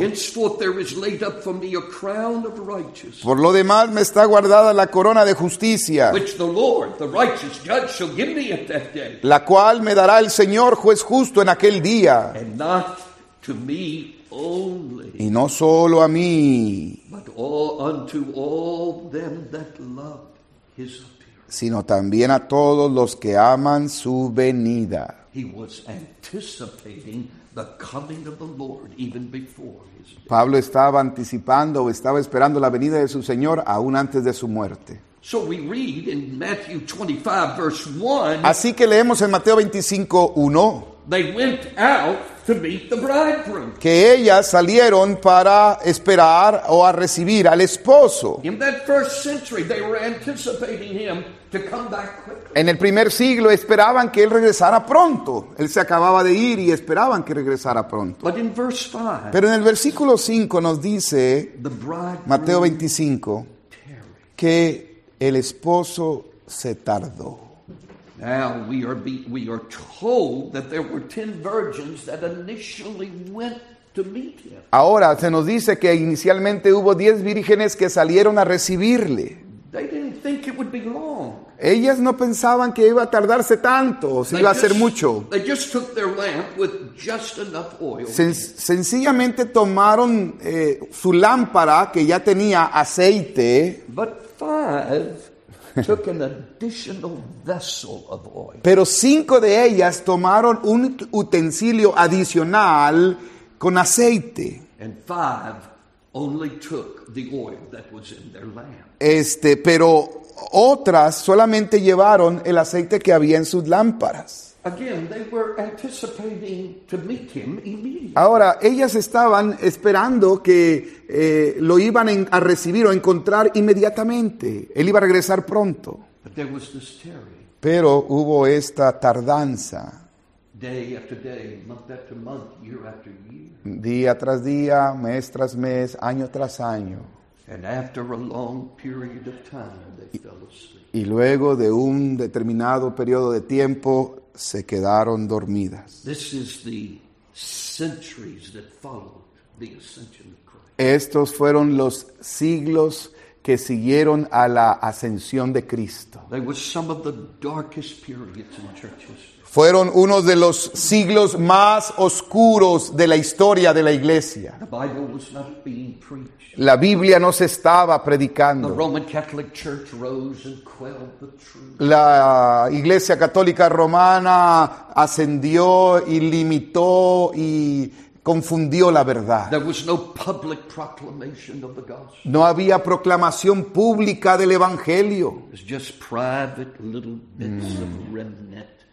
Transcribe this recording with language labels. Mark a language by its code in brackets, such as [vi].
[en] Henceforth there is laid up for me a crown of righteousness. [es] Por lo demás me está guardada la corona de justicia. [en] Which the Lord, the righteous judge, shall give me at that day. [es] La cual me dará el Señor juez justo en aquel día. [en] And not to me only. [es] Y no solo a mí. [en] All unto all them that love his appearance. [es] Sino también a todos los que aman su venida. [en] He was anticipating the coming of the Lord even before his death. [es] Pablo estaba anticipando o estaba esperando la venida de su Señor aún antes de su muerte. [en] So we read in Matthew 25 verse 1. [es] Así que leemos en Mateo 25, 1. [en] They went out to meet the bridegroom. [es] Que ellas salieron para esperar o a recibir al esposo. [en] In that first century, they were anticipating him to come back quickly. [es] En el primer siglo esperaban que él regresara pronto. Él se acababa de ir y esperaban que regresara pronto. [en] But in verse 5, [es] pero en el versículo 5 nos dice Mateo 25 [en] tarried. [es] Que el esposo se tardó. [en] Now we are told that there were 10 virgins that initially went to meet him. [es] Ahora se nos dice que inicialmente hubo 10 vírgenes que salieron a recibirle. [en] They didn't think it would be long. [es] Ellas no pensaban que iba a tardarse tanto, o si iba a ser mucho. [en] They just took their lamp with just enough oil. [es] Sencillamente tomaron su lámpara que ya tenía aceite. [en] But 5 took an additional vessel of oil. [es] Pero 5 de ellas tomaron un utensilio adicional con aceite. [en] And 5 only took the oil that was in their lamp. [es] Pero otras solamente llevaron el aceite que había en sus lámparas. [en] Again, they were anticipating to meet him immediately. [es] Ahora, ellas estaban esperando que lo iban a recibir o encontrar inmediatamente. Él iba a regresar pronto. [en] But there was this tarrying. [es] Pero hubo esta tardanza. [en] Day after day, month after month, year after year. [es] Día tras día, mes tras mes, año tras año. [en] And after a long period of time, they fell asleep. [es] Y luego de un determinado periodo de tiempo, se quedaron dormidas. [en] This is the centuries that followed the ascension of Christ. [es] Estos fueron los siglos que siguieron a la ascensión de Cristo. [en] They were some of the darkest periods in church history. [es] Fueron uno de los siglos más oscuros de la historia de la iglesia. [en] The Bible was not being preached. [es] La Biblia no se estaba predicando. [en] The Roman Catholic Church rose and quelled the truth. [es] La iglesia católica romana ascendió y limitó y confundió la verdad. [en] There was no public proclamation of the gospel. [es] No había proclamación pública del evangelio. [en] It was just private little bits of remnant.